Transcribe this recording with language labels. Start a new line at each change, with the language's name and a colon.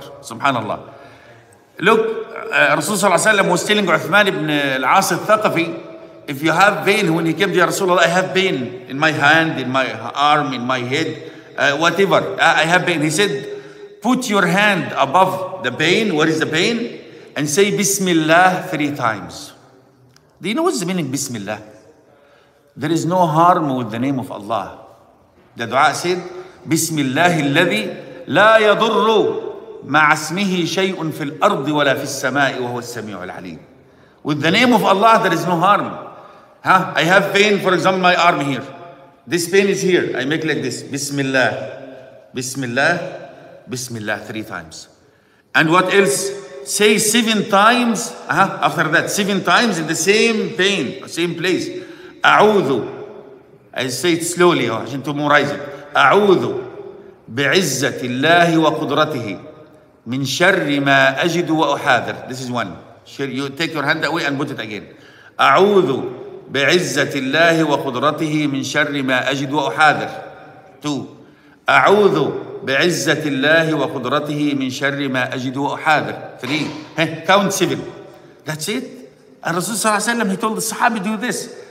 English: Subhanallah. Look, Rasul صلى الله عليه وسلم was telling عثمان بن العاص الثقفي, if you have pain, when he came to رسول الله, I have pain in my hand, in my arm, in my head, whatever. I have pain. He said, put your hand above the pain. What is the pain? And say Bismillah 3 times. Do you know what's the meaning of Bismillah? There is no harm with the name of Allah. The dua said,
Arabic: Bismillah الذي لا يضر مع اسمه شيء في الأرض ولا في السماء وهو السميع العليم.
English: With the name of Allah, there is no harm. Huh? I have pain, for example, my arm here. This pain is here. I make like this. Bismillah. Bismillah. Bismillah 3 times. And what else? Say 7 times, after that, 7 times in the same pain, same place. A'udhu, I say it slowly,
Arabic: عشان تبقوا مرايزين. A'udhu بعزة الله وقدرته من شر ما أجد وأحاذر.
English: This is one. You take your hand away and put it again.
Arabic: A'udhu بعزة الله وقدرته من شر ما أجد وأحاذر.
English: 2.
Arabic: A'udhu بعزة الله وقدرته من شر ما أجد وأحاذر.
English: 3. Count 7. That's it. الرسول صلى الله عليه وسلم, he told the صحابة do this.